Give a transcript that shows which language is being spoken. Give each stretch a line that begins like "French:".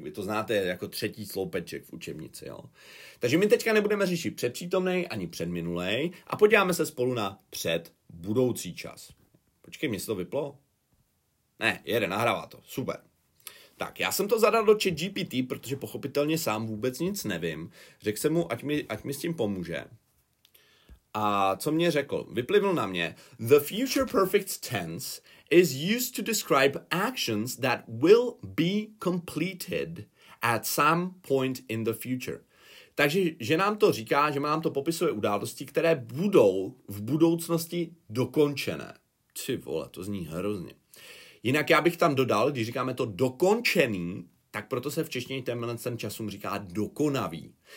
Czech: Vy to znáte jako třetí sloupeček v učebnici. Jo? Takže my teďka nebudeme řešit předpřítomnej ani předminulej a podíváme se spolu na předbudoucí čas. Počkej, mě se to vyplo? Ne, jede, nahrává to. Super. Tak, já jsem to zadal do ChatGPT, protože pochopitelně sám vůbec nic nevím. Řekl jsem mu, ať mi s tím pomůže. A co mě řekl? Vyplivl na mě.
English: The future perfect tense is used to describe actions that will be completed at some point in the future.
Czech: Takže, že nám to říká, že nám to popisuje události, které budou v budoucnosti dokončené. Ty vole, to zní hrozně. Jinak já bych tam dodal, když říkáme to dokončený, tak proto se v češtině tenhle časům říká dokonavý.